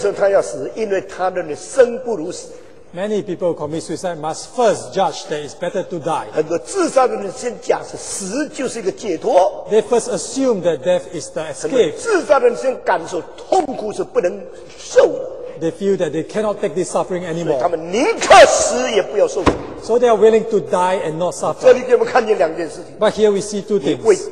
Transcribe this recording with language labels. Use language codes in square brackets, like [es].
[zh] 每一个自杀的人都衡量为什么他要死，因为他认为生不如死。 [en] Many people commit suicide must first judge that it's better to die. [zh] 很多自杀的人先假设死就是一个解脱。 [en] They first assume that death is the escape. [zh] 自杀的人先感受痛苦是不能受的。 [en] They feel that they cannot take this suffering anymore. [zh] 所以他们宁可死也不要受苦。 [en] So they are willing to die and not suffer. But here we see two things.